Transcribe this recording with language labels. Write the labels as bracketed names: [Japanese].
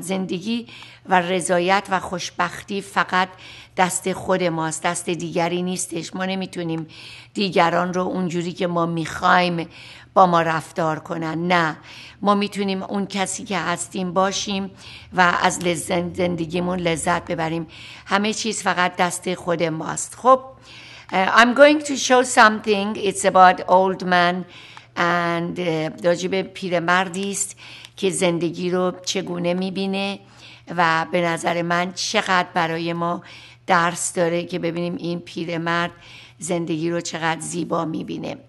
[Persian] زندگی و رضایت و خوشبختی فقط دست خود ماست، دست دیگری نیستش. ما نمیتونیم دیگران رو اونجوری که ما میخوایم با ما رفتار کنن، نه، ما میتونیم اون کسی که هستیم باشیم و از زندگیمون لذت ببریم. همه چیز فقط دست خود ماست. [English] خب I'm going to show something. It's about old man and [Persian] راجب پیرمردیست که زندگی رو چگونه میبینه و به نظر من چقدر برای ما درس داره که ببینیم این پیرمرد زندگی رو چقدر زیبا میبینه.